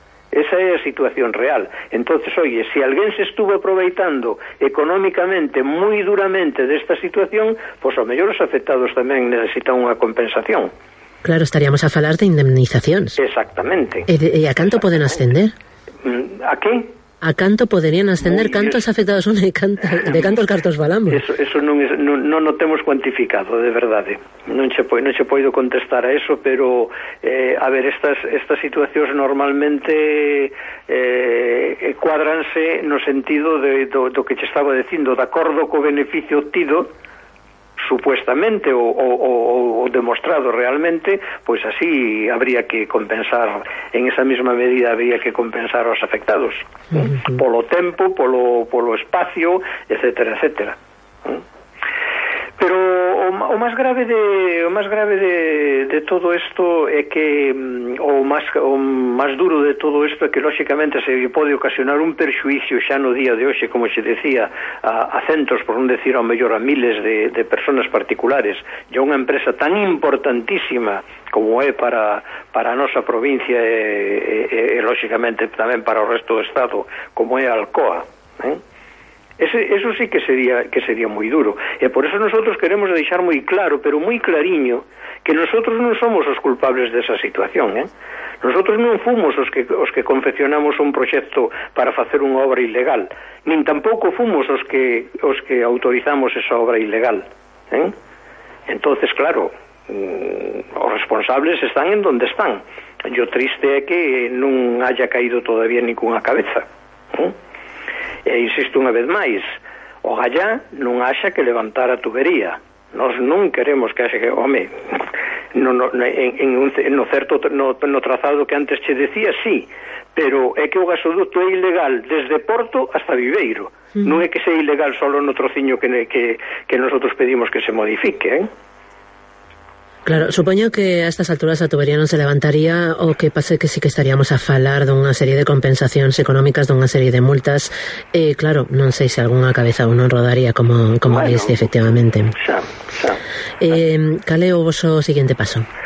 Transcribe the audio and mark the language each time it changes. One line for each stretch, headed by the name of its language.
Galician: Esa é a situación real. Entonces, oye, si alguén se estuvo aproveitando económicamente moi duramente desta situación, pois pues, ao mellor os afectados tamén necesitan unha compensación. Claro, estaríamos a falar de indemnizacións. Exactamente. E a canto poden ascender? A que? A canto poderían ascender? Cantos afectados son de cantos cartos falamos? Eso non temos cuantificado, de verdade. Non se poido contestar a eso, pero, a ver, estas situacións normalmente cuadranse no sentido do que te estaba dicindo, de acordo co beneficio obtido, supuestamente o demostrado realmente, pois así habría que compensar, en esa mesma medida habría que compensar aos afectados. Uh-huh. Polo tempo, polo espacio, etcétera, etcétera. Pero O máis grave de todo isto é que o máis duro de todo isto é que lógicamente se pode ocasionar un perxuicio xa no día de hoxe, como se decía, a centos, por non decir ao mellor a miles de personas particulares, e unha empresa tan importantísima como é para a nosa provincia e lógicamente tamén para o resto do estado, como é Alcoa, ¿eh?
Spanish: Eso sí que sería muy duro. Y por eso nosotros queremos dejar muy claro, pero muy clariño, que nosotros no somos los culpables de esa situación, ¿eh? Nosotros no fuimos los que confeccionamos un proyecto para hacer una obra ilegal, ni tampoco fuimos los que autorizamos esa obra ilegal, ¿eh? Entonces, claro, los responsables están en donde están. Yo triste es que no haya caído todavía ninguna cabeza, ¿eh?
Galician: E insisto unha vez máis, o Gallá non haxa que levantar a tubería. Nos non queremos que haxa que, home, no trazado que antes che decía, sí, pero é que o gasoduto é ilegal desde Porto hasta Viveiro. Sí. Non é que sea ilegal solo no trociño que nosotros pedimos que se modifique, ¿eh? Claro, supoño que a estas alturas a tubería non se levantaría, o que pase que sí que estaríamos a falar dunha serie de compensacións económicas, dunha serie de multas, e claro, non sei se algunha cabeza ou non rodaría, como bueno, dice, efectivamente. Xa. Cale o vosso siguiente paso?